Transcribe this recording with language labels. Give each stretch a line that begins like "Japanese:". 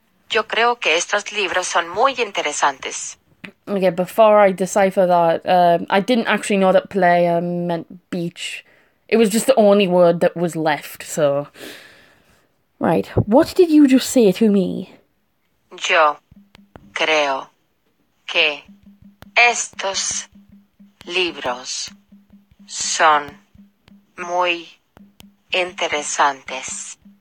Spanish: Yo creo que estos libros son muy interesantes.
English: Okay, before I decipher that, I didn't actually know that playa meant beach. It was just the only word that was left, so... Right, what did you just say to me?
Spanish: Yo creo que estos libros son muy interesantes.